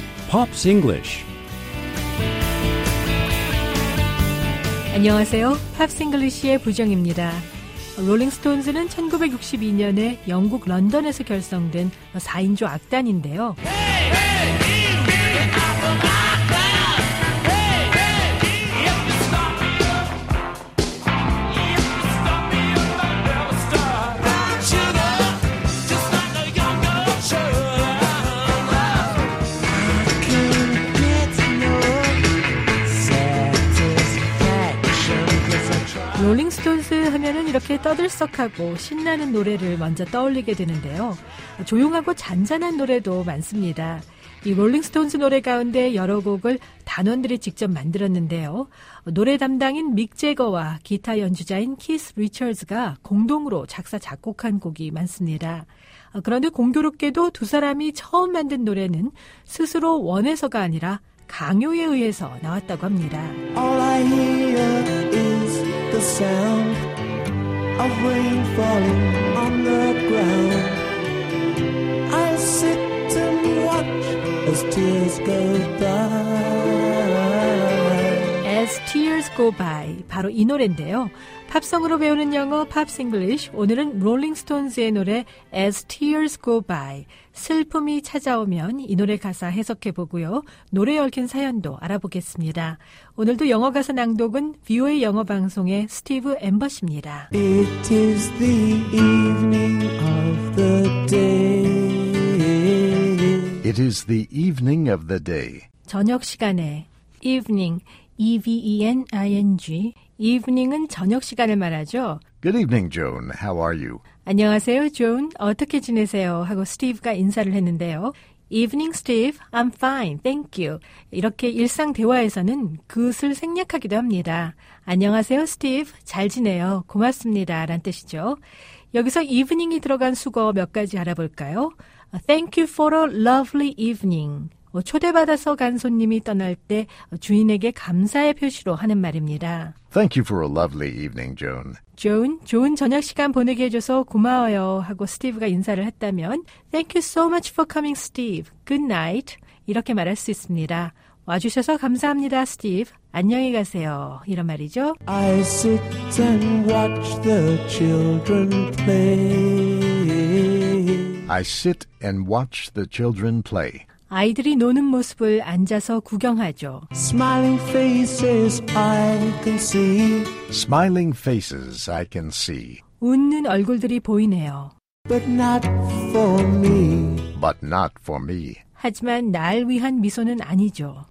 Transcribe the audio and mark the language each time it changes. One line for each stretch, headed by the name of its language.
Korean: 팝스 잉글리쉬 안녕하세요. 팝스 잉글리쉬의 부정입니다. 롤링스톤즈는 1962년에 영국 런던에서 결성된 4인조 악단인데요.
English: Hey, hey, hey, hey,
Korean: hey, hey, hey, Rolling Stones 하면은 이렇게 떠들썩하고 신나는 노래를 먼저 떠올리게 되는데요. 조용하고 잔잔한 노래도 많습니다. 이 Rolling Stones 노래 가운데 여러 곡을 단원들이 직접 만들었는데요. 노래 담당인 믹 재거와 기타 연주자인 키스 리처즈가 공동으로 작사 작곡한 곡이 많습니다. 그런데 공교롭게도 두 사람이 처음 만든 노래는 스스로 원해서가 아니라 강요에 의해서 나왔다고 합니다.
English: All I hear is the sound of rain falling on the ground. I sit and watch as tears go by.
Korean: As tears go by, 바로 이 노래인데요. 팝송으로 배우는 영어 Pops English, 오늘은 Rolling Stones의 노래 As Tears Go By, 슬픔이 찾아오면 이 노래 가사 해석해보고요. 노래에 얽힌 사연도 알아보겠습니다. 오늘도 영어 가사 낭독은 VOA 영어 방송의 스티브 앰버시입니다.
English: It is the evening of the day. It is the evening of the day.
Korean: 저녁 시간에 evening, E-V-E-N-I-N-G. Evening은 저녁 시간을 말하죠.
English: Good evening, Joan. How are you?
Korean: 안녕하세요, Joan. 어떻게 지내세요? 하고 스티브가 인사를 했는데요.
English: Evening, Steve. I'm fine. Thank you.
Korean: 이렇게 일상 대화에서는 그것을 생략하기도 합니다. 안녕하세요, Steve. 잘 지내요. 고맙습니다. 라는 뜻이죠. 여기서 evening이 들어간 수거 몇 가지 알아볼까요?
English: Thank you for a lovely evening.
Korean: 초대받아서 간 손님이 떠날 때 주인에게 감사의 표시로 하는 말입니다.
English: Thank you for a lovely evening, Joan.
Korean: Joan, 좋은 저녁 시간 보내게 해줘서 고마워요 하고 스티브가 인사를 했다면
English: Thank you so much for coming, Steve. Good night.
Korean: 이렇게 말할 수 있습니다. 와주셔서 감사합니다, 스티브. 안녕히 가세요. 이런 말이죠.
English: I sit and watch the children play. I sit and watch the children play.
Korean: 아이들이 노는 모습을 앉아서 구경하죠.
English: Smiling faces I can see. Smiling faces I can see.
Korean: 웃는 얼굴들이 보이네요.
English: But not for me. But not for me.
Korean: 하지만 날 위한 미소는 아니죠.